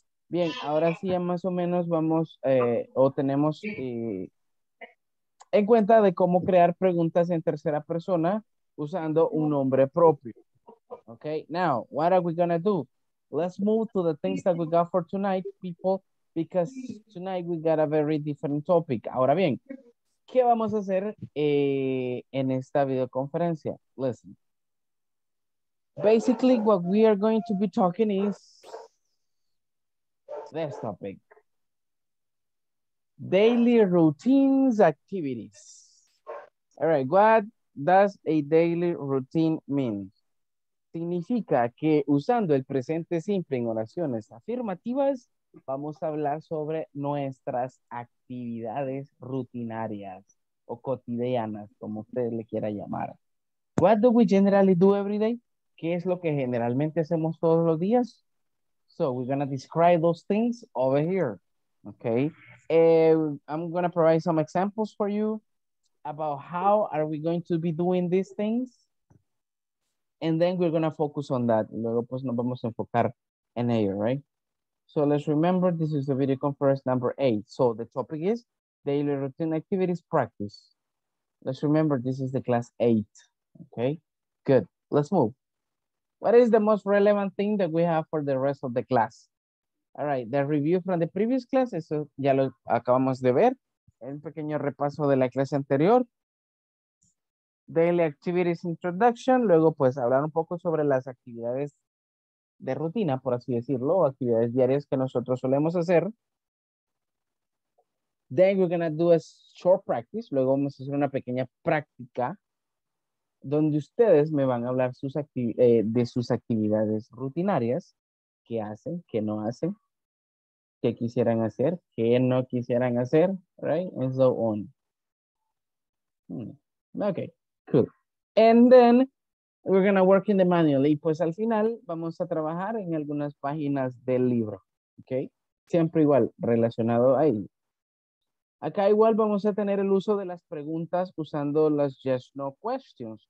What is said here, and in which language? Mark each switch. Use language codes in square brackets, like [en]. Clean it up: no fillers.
[es] Bien, ahora sí ya más o menos vamos o tenemos en cuenta de cómo crear preguntas en tercera persona usando un nombre propio. [en] Okay, now, what are we gonna do? Let's move to the things that we got for tonight, people, because tonight we got a very different topic. [es] Ahora bien, ¿qué vamos a hacer en esta videoconferencia? [en] Listen. Basically, what we are going to be talking is this topic. Daily routines activities. All right, what does a daily routine mean? [es] Significa que usando el presente simple en oraciones afirmativas, vamos a hablar sobre nuestras actividades rutinarias o cotidianas, como usted le quiera llamar. [en] What do we generally do every day? [es] ¿Qué es lo que generalmente hacemos todos los días? [en] So we're going to describe those things over here. Okay. I'm going to provide some examples for you about how are we going to be doing these things. And then we're going to focus on that. [es] Luego pues nos vamos a enfocar en ello, right? [en] So let's remember, this is the video conference number 8. So the topic is daily routine activities practice. Let's remember, this is the class 8. Okay, good. Let's move. What is the most relevant thing that we have for the rest of the class? All right, the review from the previous class, [es] eso ya lo acabamos de ver. El pequeño repaso de la clase anterior. [en] Daily activities introduction. [es] Luego, pues, hablar un poco sobre las actividades de rutina, por así decirlo, actividades diarias que nosotros solemos hacer. [en] Then we're going to do a short practice. [es] Luego vamos a hacer una pequeña práctica donde ustedes me van a hablar sus de sus actividades rutinarias, qué hacen, qué no hacen, qué quisieran hacer, qué no quisieran hacer, right? [en] And so on. Okay, cool. And then we're going to work in the manual. [es] Y pues al final vamos a trabajar en algunas páginas del libro. Okay? Siempre igual, relacionado ahí. Acá igual vamos a tener el uso de las preguntas usando las yes no questions.